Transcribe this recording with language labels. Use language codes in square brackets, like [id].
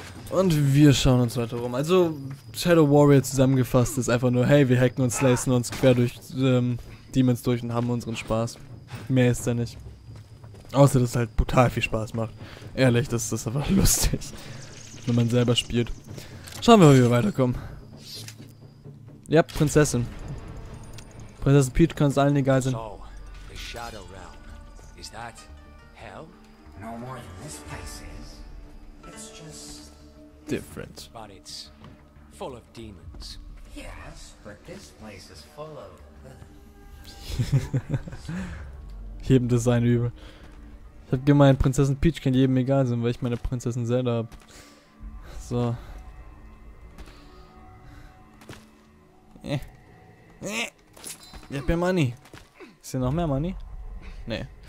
[de] Und wir schauen uns weiter rum. Also, Shadow Warrior zusammengefasst ist einfach nur, hey, wir hacken und slicen uns quer durch Demons durch und haben unseren Spaß. Mehr ist da nicht. Außer, dass es halt brutal viel Spaß macht. Ehrlich, das ist einfach lustig. Wenn man selber spielt. Schauen wir mal, wie wir weiterkommen. Ja, Prinzessin. Prinzessin Peach kann es allen egal sein. [en] So, the Shadow Realm. Is that hell? No more than this place is. It's just different. But it's full of demons. Yes, but this place is full of. [de] Jedem Design übel. Ich hab gemeint, Prinzessin Peach kann jedem egal sein, weil ich meine Prinzessin Zelda hab. So. Ich hab ja Money. Ist hier noch mehr Money? Nee.